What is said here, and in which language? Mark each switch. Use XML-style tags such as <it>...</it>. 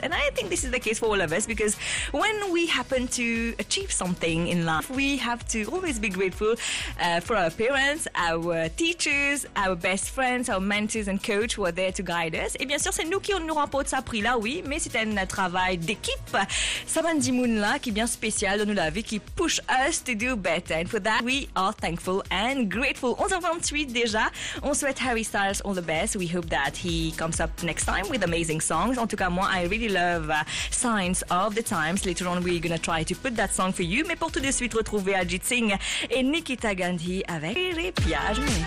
<en>And I think this is the case for all of us because when we happen to achieve something in life, we have to always be grateful for our parents, our teachers, our best friends, our mentors and coach who are there to guide us.</en> <fr>Et bien sûr, c'est nous qui nous remportons ce prix-là, oui, mais c'est un travail d'équipe. Samandi Moon-là, qui est bien spécial dans la vie, qui</fr> <en>push us to do better. And for that, we are thankful and grateful.</en> <fr>11h28 déjà, on souhaite</fr> <en>Harry Styles all the best. We hope that he comes up next time with amazing songs.</en> <fr>En tout cas, moi,</fr> <en>I really love Signs of the Times. Later on, we're gonna try to put that song for you.</en> <fr>Mais pour tout de suite, retrouver Ajit Singh et Nikita Gandhi avec Les Piages.</fr>